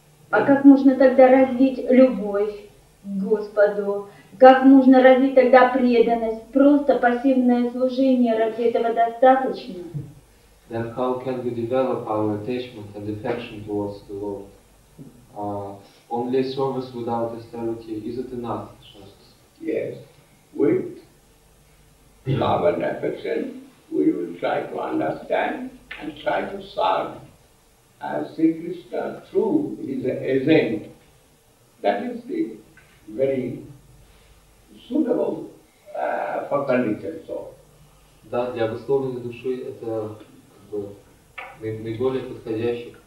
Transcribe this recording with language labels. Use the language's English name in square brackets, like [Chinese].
[Russian] А как можно тогда развить любовь к Господу? Как можно развить тогда преданность? Просто пассивное служение ради этого достаточно? [English] Then how can we develop our attachment and affection towards the Lord? Only service without austerity, is it enough? Yes. With love and affection, we will try to understand and try to serve as Sri Krishna through his agent. That is the very suitable for conditioned soul. [Russian] Да, для обусловленной души это как бы наиболее подходящий.